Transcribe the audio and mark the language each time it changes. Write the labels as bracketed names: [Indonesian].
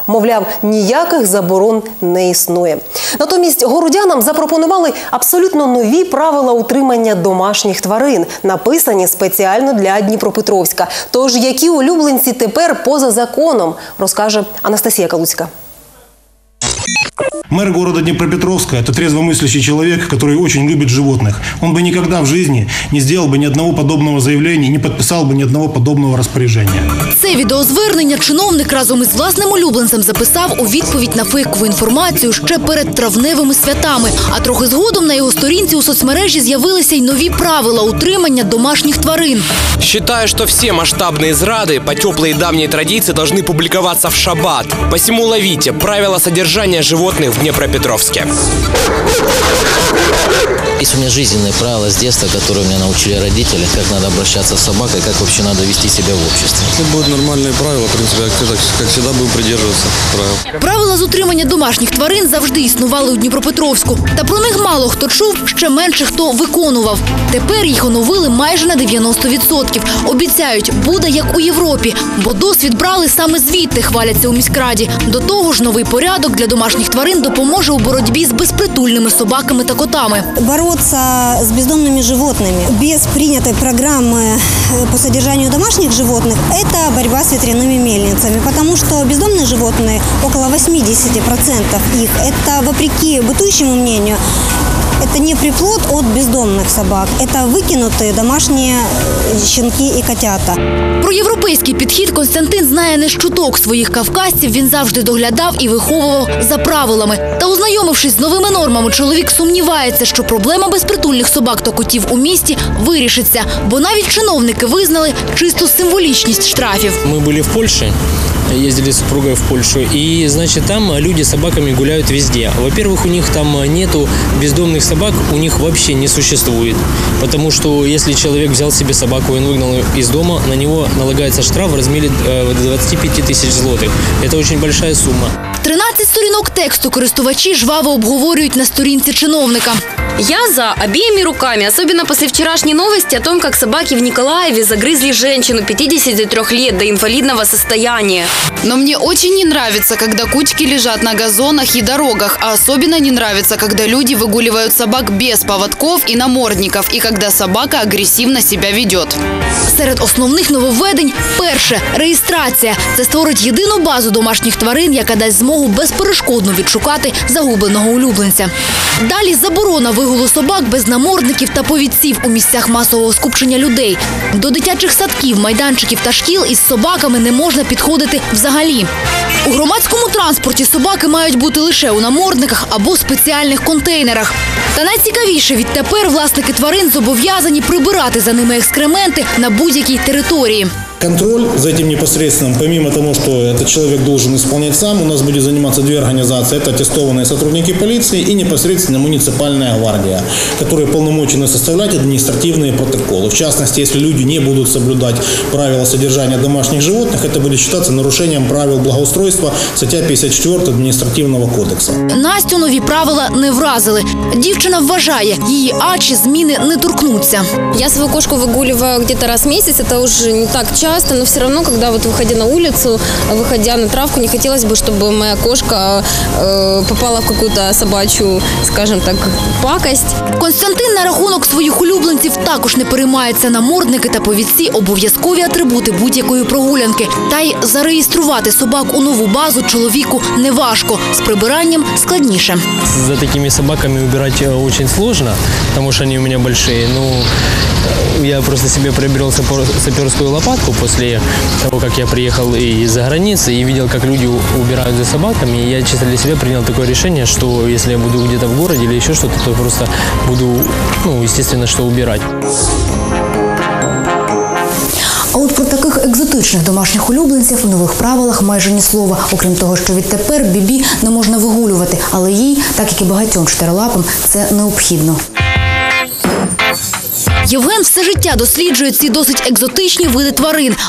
[Ukrainian] Мовляв, ніяких заборон не існує. Натомість городянам запропонували абсолютно нові правила утримання домашніх тварин, написані спеціально для Дніпропетровська. Тож, які улюбленці тепер поза законом, розкаже Анастасія Калуцька. [Russian] Мэр города Днепропетровска – это трезвомыслящий человек, который очень любит животных. Он бы никогда в жизни не сделал бы ни одного подобного заявления, не подписал бы ни одного подобного распоряжения. [Ukrainian] Це відеозвернення чиновник разом із власним улюбленцем записав у відповідь на фейкову інформацію ще перед травневими святами. А трохи згодом на його сторінці у соцмережі з'явилися й нові правила утримання домашніх тварин. [Russian] Считаю, что все масштабные зрады по теплой и давней традиции должны публиковаться в шаббат. Посему ловите правила содержания животных в Днепропетровске. Есть у меня жизненные правила с детства, которые меня научили родители, как надо обращаться с собакой, как вообще надо вести себя в обществе. Это будут нормальные правила, в принципе, как всегда будем придерживаться правил. [Ukrainian] Правила з утримання домашніх тварин завжди існували у Дніпропетровську. Та про них мало хто чув, ще менше хто виконував. Тепер їх оновили майже на 90%. Обіцяють, буде як у Європі, бо досвід брали саме звідти, хваляться у міськраді. До того ж, новий порядок для домашніх тварин допоможе у боротьбі з безпритульними собаками та котами. Бороться з бездомними животними без прийнятої програми по содержанню домашніх животних – це боротьба з вітряними мельницями. Тому що бездомні животні, около 80% їх, це, вопреки бутуючому мненню, це не приплод від бездомних собак, це викинуті домашні щенки і котята. Про європейський підхід Костянтин знає не з чуток своїх кавказців. Він завжди доглядав і виховував за правилами. Та ознайомившись з новими нормами, чоловік сумнівається, що проблема безпритульних собак та котів у місті вирішиться. Бо навіть чиновники визнали чисту символічність штрафів. Ми були в Польщі. [Russian] ездили с супругой в Польшу. И, значит, там люди с собаками гуляют везде. Во-первых, у них там нету бездомных собак, у них вообще не существует. Потому что если человек взял себе собаку и выгнал ее из дома, на него налагается штраф в размере 25 тысяч злотых. Это очень большая сумма. [Ukrainian] 13 сторінок тексту користувачі жваво обговорюють на сторінці чиновника. [Russian] Я за обеими руками, особенно после вчерашней новости о том, как собаки в Николаеве загрызли женщину 53 лет до инвалидного состояния. Но мне очень не нравится, когда кучки лежат на газонах и дорогах, а особенно не нравится, когда люди выгуливают собак без поводков и намордников, и когда собака агрессивно себя ведет. [Ukrainian] Серед основных нововведень – перше – реєстрація. Це створить єдину базу домашніх тварин, яка дасть змогу безперешкодно відшукати загубленого улюбленця. Далі – заборона вигулу собак без намордників та повідців у місцях масового скупчення людей. До дитячих садків, майданчиків та шкіл із собаками не можна підходити взагалі. У громадському транспорті собаки мають бути лише у намордниках або спеціальних контейнерах. Та найцікавіше, відтепер власники тварин зобов'язані прибирати за ними екскременти на будь-якій території. [Russian] Контроль за этим непосредственным, помимо того, что этот человек должен исполнять сам, у нас будет заниматься две организации. Это аттестованные сотрудники полиции и непосредственно муниципальная гвардия, которые полномочены составлять административные протоколы. В частности, если люди не будут соблюдать правила содержания домашних животных, это будет считаться нарушением правил благоустройства, статья 54 административного кодекса. [Ukrainian] Настю нові правила не вразили. Дівчина вважає, її ачі зміни не торкнуться. [Russian] Я свою кошку выгуливаю где-то раз в месяц, это уже не так часто, но все равно, когда вот выходя на улицу, выходя на травку, не хотелось бы, чтобы моя кошка попала в какую-то собачью, скажем так, пакость. [Ukrainian] Константин на рахунок своих улюбленців також не переймається. Намордники та повідці – обов'язкові атрибути будь-якої прогулянки. Та й зареєструвати собак у нову базу чоловіку неважко. З прибиранням складніше. За такими собаками вбирати дуже складно, тому що вони у мене великі. [Russian] Ну, я просто себе приобрел саперскую лопатку после того, как я приехал из-за границы и видел, как люди убирают за собаками. И я чисто для себя принял такое решение, что если я буду где-то в городе или еще что-то, то просто буду, ну, естественно, что убирать. [Ukrainian] А от про таких екзотичних домашніх улюбленців у нових правилах майже ні слова. Окрім того, що відтепер бібі не можна вигулювати. Але їй, так як і багатьом чотирилапам, це необхідно. Євген все життя досліджує ці досить екзотичні види тварин.